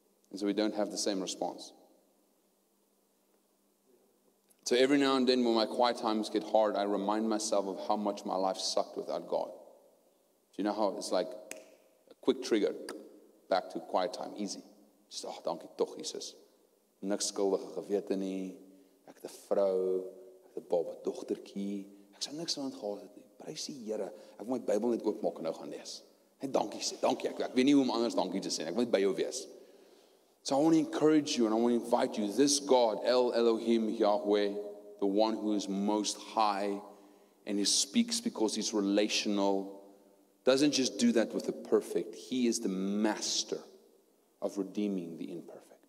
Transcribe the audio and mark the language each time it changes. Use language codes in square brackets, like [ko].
[en] And so we don't have the same response. So every now and then when my quiet times get hard, I remind myself of how much my life sucked without God. Do you know how it's like a quick trigger back to quiet time, easy. [af] Just, oh, dankie toch, Jesus. Niks skuldige gewete nie. Ek het 'n vrou, ek het 'n baba dogtertjie. Ek sou niks aan gehad het nie. Prys die Here. Ek moet my Bybel net oopmaak en nou gaan lees. Net dankie sê. Dankie. Ek weet nie hoe om anders dankie te sê. Ek wil by jou wees. [en] So I want to encourage you and I want to invite you. This God, El Elohim Yahweh, the one who is most high and he speaks because he's relational, doesn't just do that with the perfect. He is the master of redeeming the imperfect.